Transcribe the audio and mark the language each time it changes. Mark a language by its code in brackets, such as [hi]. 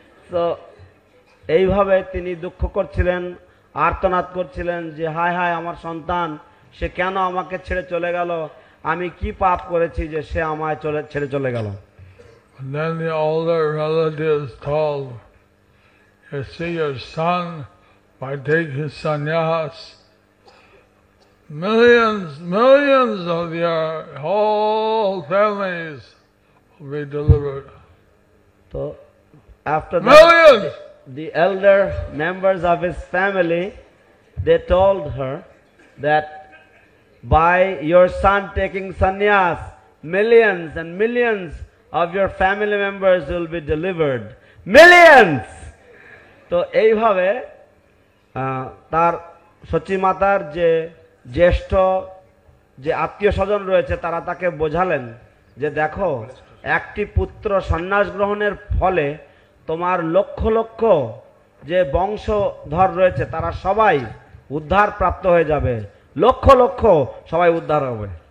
[bn] So, এইভাবে তিনি দুঃখ করছিলেন, আর্তনাদ করছিলেন যে হায় হায় আমার সন্তান, সে কেন আমাকে ছেড়ে চলে গেল, আমি কি পাপ করেছি যে সে আমায় ছেড়ে চলে গেল। [en] Then the older relatives told, you see your son, why take his sannyas? Millions, millions of your whole families will be delivered. So after millions! That, the elder members of his family, they told her that by your son taking sannyas, millions and millions of your family members will be delivered. Millions! [bn] So এইভাবে তার সচী মাতার যে জ্যেষ্ঠ যে আত্মীয় স্বজন রয়েছে তারা তাকে বোঝালেন যে দেখো একটি পুত্র সন্ন্যাস গ্রহণের ফলে তোমার লক্ষ লক্ষ যে বংশধর রয়েছে তারা সবাই উদ্ধার প্রাপ্ত হয়ে যাবে, লক্ষ লক্ষ সবাই উদ্ধার হবে।